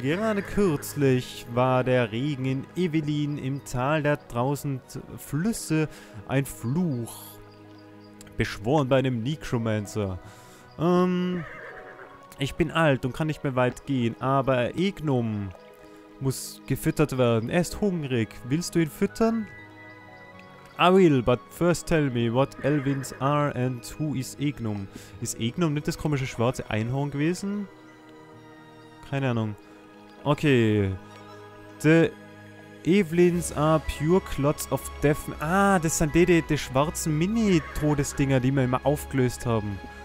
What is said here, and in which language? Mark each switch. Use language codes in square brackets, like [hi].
[de] Gerade kürzlich war der Regen in Evelin im Tal der 1000 Flüsse ein Fluch. Beschworen bei einem Necromancer. Ich bin alt und kann nicht mehr weit gehen, aber Egnum muss gefüttert werden. Er ist hungrig. Willst du ihn füttern? [en] I will, but first tell me what Elvins are and who is Egnum. [de] Ist Egnum nicht das komische schwarze Einhorn gewesen? Keine Ahnung. Okay. [en] The Evelyns are pure clots of death. [de] Ah, das sind die schwarzen Mini-Todesdinger, die wir immer aufgelöst haben.